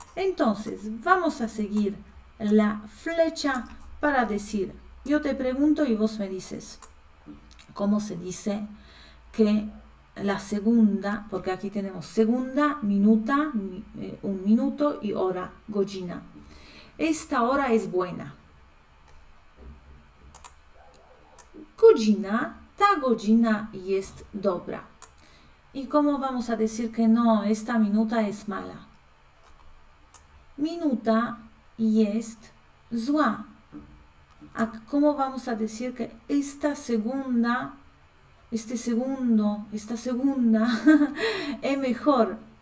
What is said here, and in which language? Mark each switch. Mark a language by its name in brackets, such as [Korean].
[Spanish] Entonces vamos a seguir la flecha para decir, yo te pregunto y vos me dices, ¿cómo se dice que la segunda, porque aquí tenemos segunda, minuta, un minuto y hora, godzina? Esta hora es buena. [Polish] Godzina, ta godzina jest dobra. [Spanish] ¿Y cómo vamos a decir que no, esta minuta es mala? [Polish] Minuta jest zła. [Spanish] ¿A cómo vamos a decir que esta segunda, este segundo, esta segunda es mejor?